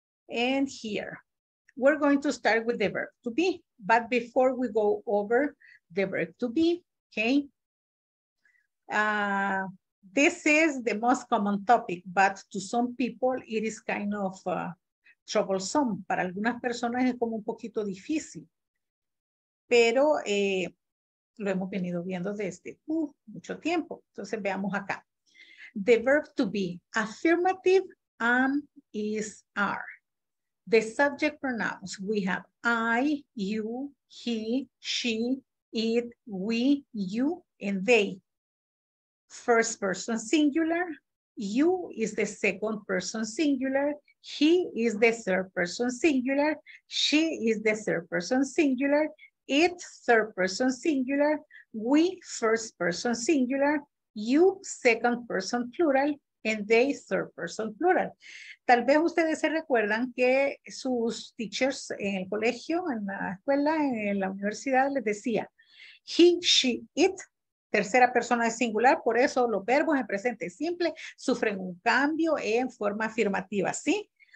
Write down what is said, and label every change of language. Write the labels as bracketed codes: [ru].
[en] And here, we're going to start with the verb to be, but before we go over the verb to be, okay? This is the most common topic, but to some people it is kind of troublesome. [es] Para algunas personas es como un poquito difícil, pero lo hemos venido viendo desde mucho tiempo. Entonces veamos acá. [en] The verb to be, affirmative, am, is, are. The subject pronouns, we have I, you, he, she, it, we, you, and they. First person singular, you is the second person singular, he is the third person singular, she is the third person singular, it third person singular, we first person singular, you second person plural, and they third person plural. [es] Tal vez ustedes se recuerdan que sus teachers en el colegio, en la escuela, en la universidad les decía [en] he, she, it. [es] Tercera persona es singular, por eso los verbos en presente simple sufren un cambio en forma afirmativa, ¿sí?